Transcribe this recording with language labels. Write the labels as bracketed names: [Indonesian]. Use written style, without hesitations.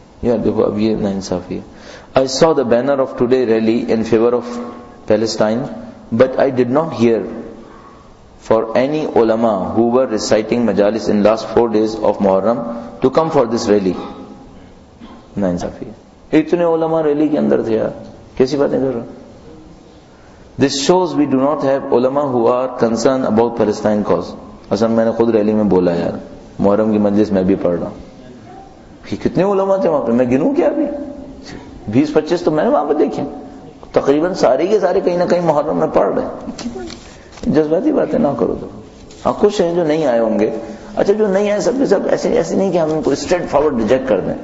[Urdu] یار دیکھو اب یہ ناانصافی ہے. [English] I saw the banner of today rally in favour of Palestine but I did not hear for any علما who were reciting مجالس in last 4 days of محرم to come for this rally. [Urdu] ناانصافی ہے, اتنے علما ریلی کے اندر تھے, یار کیسی باتیں کر رہا ہوں. [English] This shows we do not have علماء who are concerned about Palestine cause. [Urdu] اصل میں نے خود ریلی میں بولا یار, محرم کی مجلس میں بھی پڑھ رہا ہوں, کتنے علماء تھے وہاں پہ, میں گنوں کیا ابھی, 20-25 تو میں نے وہاں پہ دیکھے, تقریباً سارے کے سارے کہیں نہ کہیں محرم میں پڑھ رہے ہیں. جذباتی باتیں نہ کرو تو. ہاں کچھ ہیں جو نہیں آئے ہوں گے. اچھا جو نہیں آئے سب ایسے نہیں کہ ہم ان کو اسٹریٹ فارورڈ ریجیکٹ کر دیں.